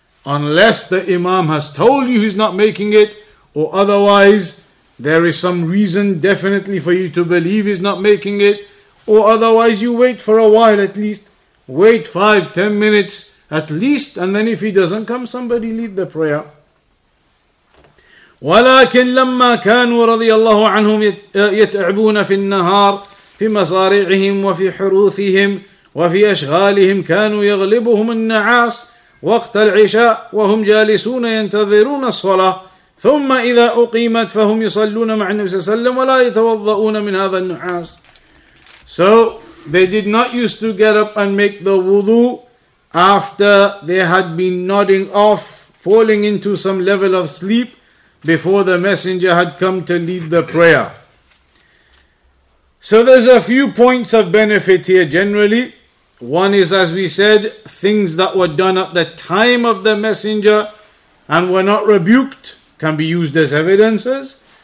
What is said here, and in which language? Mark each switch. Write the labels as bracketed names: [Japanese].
[English] Unless the imam has told you he's not making it, or otherwise there is some reason definitely for you to believe he's not making it, or otherwise you wait for a while at least. Wait 5-10 minutes at least, and then if he doesn't come, somebody lead the prayer. [Arabic] وَلَكِنْ لَمَّا كَانُوا رَضِيَ اللَّهُ عَنْهُمْ يَتْعِبُونَ فِي النَّهَارِ في مصارعهم وفي حروثهم وفي أشغالهم كانوا يغلبهم النعاس وقت العشاء وهم جالسون ينتظرون الصلاة ثم إذا أقيمت فهم يصلون مع النبي صلى الله عليه وسلم ولا يتوضؤون من هذا النعاس. [English] So they did not used to get up and make the wudu after they had been nodding off, falling into some level of sleep before the messenger had come to lead the prayer. So there's a few points of benefit here generally. One is, as we said, things that were done at the time of the messenger and were not rebuked can be used as evidences.